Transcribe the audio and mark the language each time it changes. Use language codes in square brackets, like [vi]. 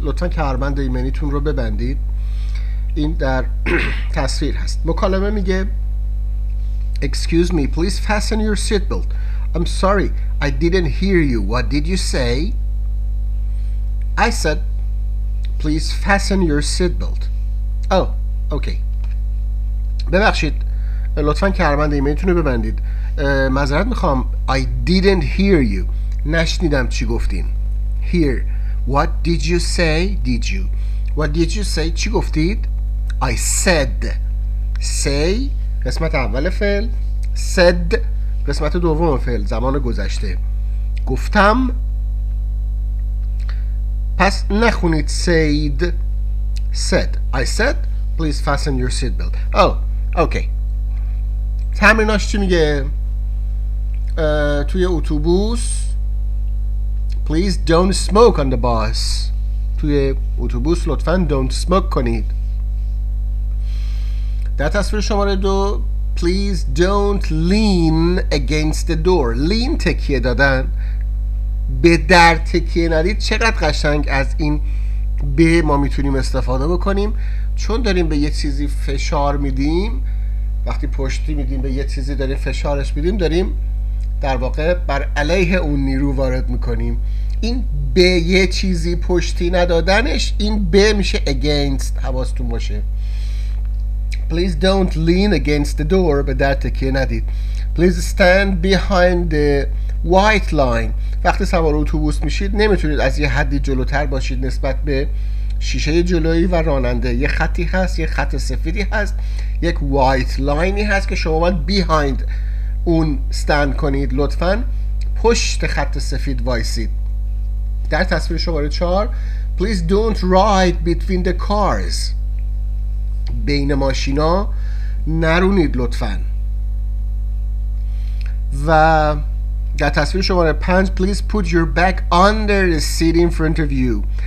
[fa] لطفاً کمربند ایمنیتون رو ببندید. این در تصویر هست. مکالمه میگه [en] Excuse me, please fasten your seat belt. I'm sorry, I didn't hear you. What did you say? I said Please fasten your seat belt. Oh, okay. [fa] ببخشید، لطفاً کمربند ایمنیتون رو ببندید. معذرت میخوام، [en] I didn't hear you. [fa] نشنیدم چی گفتین. [en] Hear. What did you say? Did you. What did you say? [fa] چی گفتید؟ [en] I said. [fa] Say قسمت اول فعل، said قسمت دوم فعل، زمان گذشته. گفتم. پس نخونید said. [en] Said. I said please fasten your seat belt. Oh. Okay. [fa] تمریناش چی میگه؟ توی اتوبوس [en] Please don't smoke on the bus. [fa] توی اتوبوس لطفاً [en] don't smoke [fa] کنید. در تصویر شماره دو [en] Please don't lean against the door. [fa] lean تکیه دادن، به در تکیه ندید. چقدر قشنگ از این به ما میتونیم استفاده بکنیم، چون داریم به یه چیزی فشار میدیم. وقتی پشتی میدیم به یه چیزی داریم فشارش میدیم، داریم در واقع بر علیه اون نیرو وارد میکنیم. این به یه چیزی پشتی ندادنش، این به میشه against. حواستون باشه. [en] Please don't lean against the door. [fa] به در تکیه ندید. [en] Please stand behind the white line. [fa] وقتی سوار اتوبوس میشید نمیتونید از یه حدی جلوتر باشید نسبت به شیشه جلویی و راننده. یه خطی هست، یه خط سفیدی هست، یک وایت لاینی هست که شما باید بیهایند اون استند کنید. لطفاً پشت خط سفید وایسید. در تصویر شماره 4 [en] Please don't ride between the cars. [fa] بین ماشینا نرونید لطفاً. و در تصویر شماره 5 [en] Please put your bag under the seat in front of you.